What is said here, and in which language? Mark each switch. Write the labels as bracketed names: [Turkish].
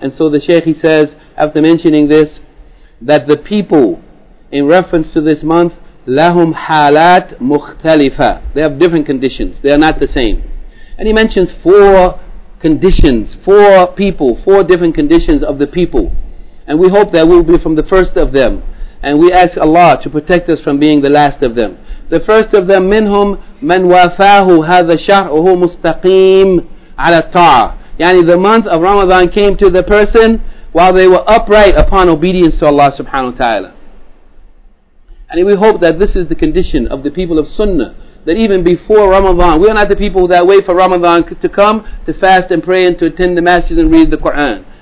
[English] And so the Shaykh, he says, after mentioning this, that the people in reference to this month, [Arabic] لهم حالات مختلفة. [English] They have different conditions. They are not the same. And he mentions four conditions, four people, four different conditions of the people. And we hope that we'll be from the first of them. And we ask Allah to protect us from being the last of them. The first of them, [Arabic] منهم من وافاه هذا الشهر وهو مستقيم على الطاعة. [English] يعني the month of Ramadan came to the person while they were upright upon obedience to Allah subhanahu wa ta'ala. And we hope that this is the condition of the people of Sunnah, that even before Ramadan, we are not the people that wait for Ramadan to come to fast and pray and to attend the masjid and read the Quran.